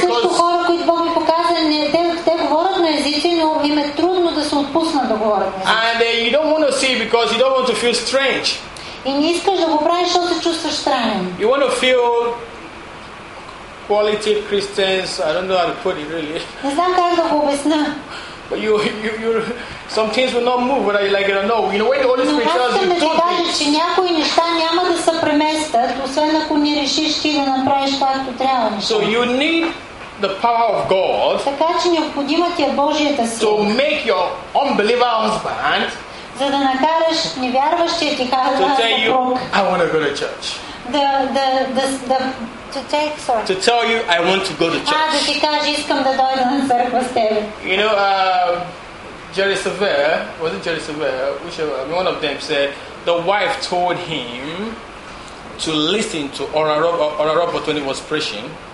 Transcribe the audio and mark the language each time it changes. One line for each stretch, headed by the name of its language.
Bulgarian: Има също хора, които Бог ми показа, те говорят на езици, но им е трудно да се отпуснат да говорят.
English: And you don't want to see because you don't want to feel strange.
Bulgarian: И не искаш да го правиш, защото се чувстваш странен.
English: You want to feel quality Christians. I don't know how to put it really.
Bulgarian: Не знам как да го обясня.
English: But you some things will not move whether you like it or not. You know when the Holy Spirit tells you to do things.
Bulgarian: Че някои неща няма да се преместят, освен ако не решиш ти да направиш както трябва.
English: So you need the power of God.
Bulgarian: Така че необходима ти е Божията сила.
English: To make your unbeliever husband.
Bulgarian: За да накараш невярващия ти хазбанд.
English: To tell you I want to go to church. To tell you, I want to go to church.
Bulgarian: Да ти кажа, искам да дойда на църква с теб.
English: You know, Jerry Savere, was it Jerry Savere? One of them said, the wife told him to listen to Oral Roberts when he was preaching.